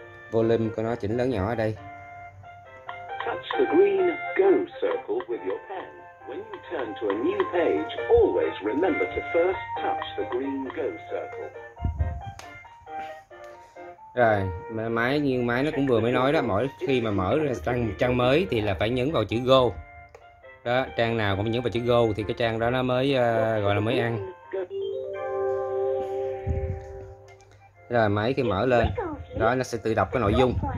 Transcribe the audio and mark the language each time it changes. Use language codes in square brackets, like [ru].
[vi] Volume của nó chỉnh lớn nhỏ ở đây. [en] Touch the green go circle with your pen. When you turn to a new page, always remember to first touch the green go circle. [vi] Rồi, máy như máy nó cũng vừa mới nói đó, mỗi khi mà mở ra trang mới thì là phải nhấn vào chữ go. Đó, trang nào cũng nhấn vào chữ go thì cái trang đó nó mới gọi là mới ăn. Rồi máy khi mở lên đó, nó sẽ tự đọc cái nội dung.